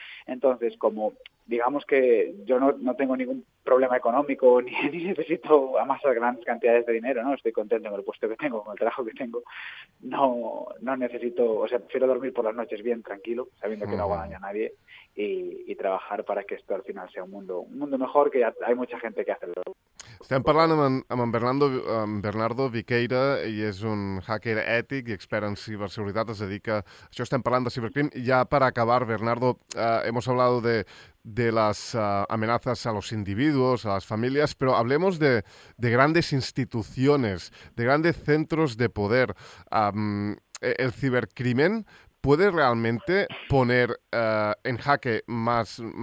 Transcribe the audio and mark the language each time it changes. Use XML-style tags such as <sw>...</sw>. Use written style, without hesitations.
<es>Entonces, como digamos que yo no tengo ningún problema económico ni necesito amasar grandes cantidades de dinero, ¿no? Estoy contento con el puesto que tengo, con el trabajo que tengo. No necesito, o sea, prefiero dormir por las noches bien tranquilo, sabiendo que no hago daño a nadie y trabajar para que esto al final sea un mundo mejor, que ya hay mucha gente que hace lo mismo.</es> <ca>Estem parlant amb Bernardo Viqueira, i és un hacker ètic i expert en ciberseguretat, és a dir que això estem parlant de cibercrim. Ja per acabar,</ca> <es>Bernardo, hemos hablado de las amenazas a los individuos, a las familias, pero hablemos de grandes instituciones, de grandes centros de poder. ¿El cibercrimen puede realmente poner en jaque más</es>